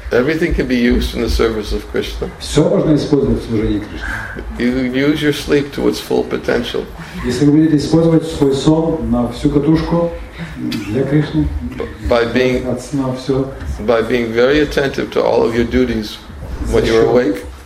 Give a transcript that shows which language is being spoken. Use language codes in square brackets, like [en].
[en] Everything can be used in the service of Krishna. [ru] Все можно использовать в служении Кришне. [en] You use your sleep to its full potential. [ru] Если вы будете использовать свой сон на всю катушку, для Кришны, от сна все. [en] By being very attentive to all of your duties when you're awake.